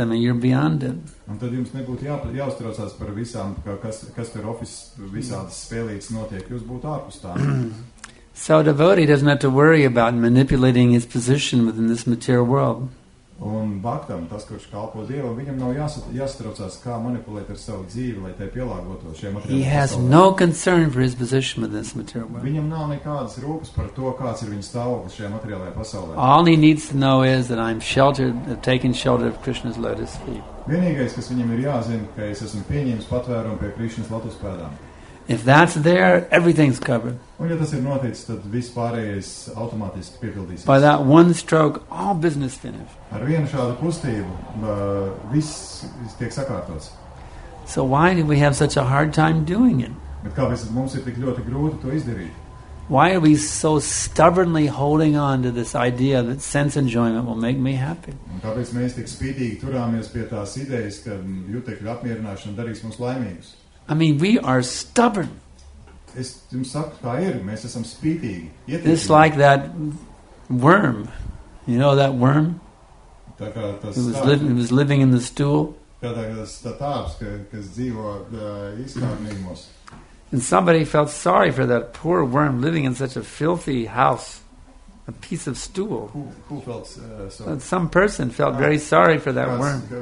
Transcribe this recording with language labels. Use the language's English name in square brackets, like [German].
[English] I mean, you're beyond it. [Latvian] Un tad jums nebūtu jāuztraucās par visām, kas tur office visādas spēlītas notiek. Jūs būtu ārpus tā. [English] So a devotee doesn't have to worry about manipulating his position within this material world. [Latvian] Un baktam, tas, kurš kalpo Dievam, viņam nav jāstraucās, kā manipulēt ar savu dzīvi, lai tai pielāgoto šiem materiālu. [English] He has no concern for his position with this material world. [Latvian] Viņam nav nekādas rūpes par to, kāds ir viņa stāvoklis šajā materiālajā pasaulē. [English] All he needs to know is that I'm sheltered, taking shelter of Krishna's lotus feet. [Latvian] Vienīgais, kas viņam ir jāzina, ka es esmu pieņēmis patvērumu pie Krišnas lotus pēdām. [English] If that's there, everything's covered. [Latvian] Un, ja tas ir noticis, tad viss pārējais automātiski piepildīsies. [English] By that one stroke, all business finished. [Latvian] Ar vienu šādu kustību, viss tiek sakārtots. [English] So why do we have such a hard time doing it? [Latvian] Bet kāpēc mums ir tik ļoti grūti to izdarīt? [English] Why are we so stubbornly holding on to this idea that sense enjoyment will make me happy? [Latvian] Un kāpēc mēs tik spītīgi turāmies pie tās idejas, ka jūtekļu apmierināšana darīs mums laimīgus? [English] I mean, we are stubborn. [Latvian] Es jums saku, kā ir. Mēs esam spītīgi. [English] It's like that worm. You know that worm? [Latvian] Tā kā tas [English] it was, it was living in the stool. [Latvian] Tā tāps, kas dzīvo izkārnījumos. [English] And somebody felt sorry for that poor worm living in such a filthy house. A piece of stool. Who felt so? And some person felt very sorry for that worm.